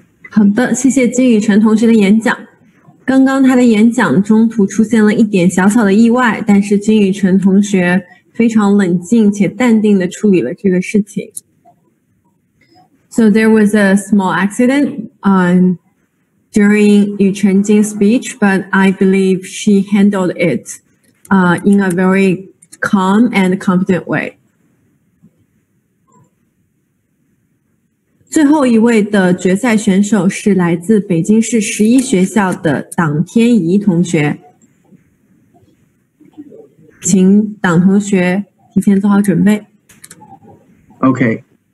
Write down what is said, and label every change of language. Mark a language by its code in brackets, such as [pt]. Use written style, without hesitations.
[zh] 好的，谢谢金宇辰同学的演讲。刚刚他的演讲中途出现了一点小小的意外，但是金宇辰同学非常冷静且淡定地处理了这个事情。 [en] So there was a small accident during Yu Chenjing's speech, but I believe she handled it in a very calm and competent way. [zh] 最后一位的决赛选手是来自北京市十一学校的党天怡同学，请党同学提前做好准备。 OK。